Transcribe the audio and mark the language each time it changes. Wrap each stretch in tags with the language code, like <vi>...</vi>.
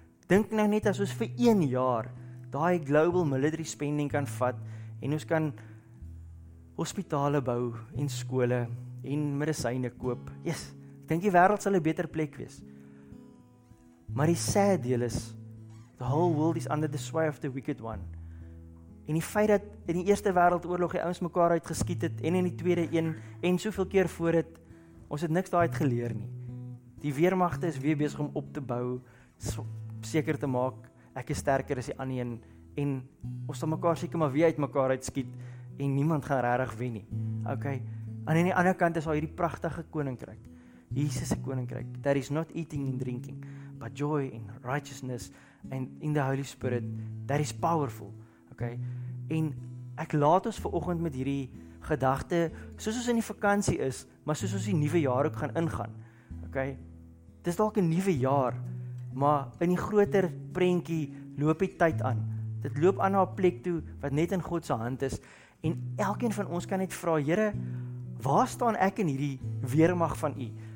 <af>Dink nou net as ons vir 1 jaar daai global military spending kan vat en ons kan hospitale bou en skole en medisyne koop. Yes, ek dink die wêreld sal 'n beter plek wees. Maar die sad deel is</af> <en>The whole world is under the sway of the wicked one.</en> <af>En die feit dat in die eerste wêreldoorlog die ouens mekaar uitgeskiet het en in die tweede een en soveel keer voor het, ons het niks daaruit geleer nie. Die weermagte is weer besig om op te bou, seker te maak ek is sterker as die ander een en ons sal mekaar seker maar weer uit mekaar uitskiet en niemand gaan regtig wen nie. Okay. En aan die ander kant is al hierdie pragtige koninkryk. Jesus se koninkryk.</af> <en>That is not eating and drinking, but joy and righteousness and in the Holy Spirit. That is powerful. Okay.</en> <af>En ek laat ons vanoggend met hierdie gedagte, soos ons in die vakansie is, maar soos ons die nuwe jaar ook gaan ingaan. Okay. Dis dalk 'n nuwe jaar, maar in die groter prentjie loop die tyd aan. Dit loop aan na 'n plek toe wat net in God se hand is en elkeen van ons kan net vra, Here, waar staan ek in hierdie weermag van U?</af>